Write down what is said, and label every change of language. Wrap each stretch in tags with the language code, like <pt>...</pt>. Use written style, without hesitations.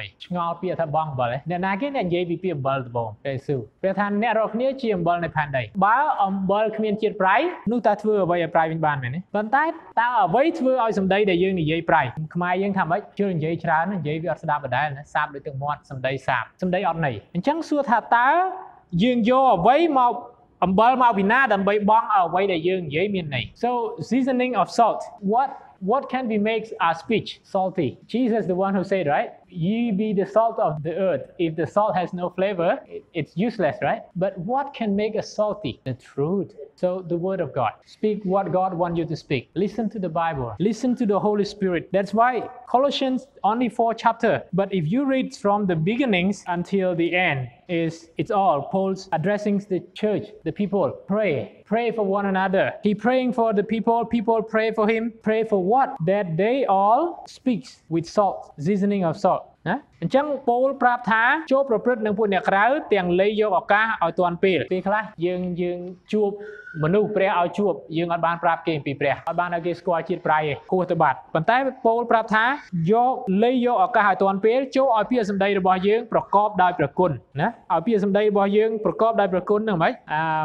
<km>ឆ្ងល់ពាក្យថាបងអំបលអ្នកណាគេអ្នកនិយាយពីពាក្យអំបលដបងព្រះយេស៊ូវព្រះថាអ្នករាល់គ្នាជាអំបលនៃផែនដីបើអំបលគ្មានជាតិប្រៃនោះតើធ្វើអ្វីឲ្យប្រៃវិញបានមែនទេប៉ុន្តែតើអ្វីធ្វើឲ្យសម្ដីដែលយើងនិយាយប្រៃខ្មែរយើងថាម៉េចជឿនិយាយច្រើននិយាយវាអត់ស្ដាប់ដដែលណាសាបដូចទឹកមាត់សម្ដីសាបសម្ដីអត់ន័យអញ្ចឹងសួរថាតើយើងយកអ្វីមកអំបិលមកពីណាដើម្បីបងអ្វីដែលយើងនិយាយមានន័យ</km> <en>So seasoning of salt what can we make our speech salty Jesus the one who said right Ye be the salt of the earth. If the salt has no flavor, it's useless, right? But what can make us salty? The truth. So the word of God. Speak what God wants you to speak. Listen to the Bible. Listen to the Holy Spirit. That's why Colossians only 4 chapter. But if you read from the beginnings until the end, it's all Paul's addressing the church, the people. Pray for one another. He praying for the people. People pray for him. Pray for what? That they all speaks with salt, seasoning of salt.</en> <km>អញ្ចឹងពោលប្រាប់ថាចូលប្រព្រឹត្តនឹងពួកអ្នកក្រៅទាំងលៃយកឱកាសឲ្យទាន់ពេលពេលខ្លះយើងជួបមនុស្សព្រះឲ្យជួបយើងអត់បានប្រាប់គេពីព្រះអត់បានឲ្យគេស្គាល់ជាតិប្រៃឯងគោះទៅបាត់ប៉ុន្តែពោលប្រាប់ថាយកលៃយកឱកាសឲ្យទាន់ពេលចូលឲ្យពាក្យសម្ដីរបស់យើងប្រកបដោយព្រះគុណណាឲ្យពាក្យសម្ដីរបស់យើងប្រកបដោយព្រះគុណហ្នឹងហ្មងអឺ</km>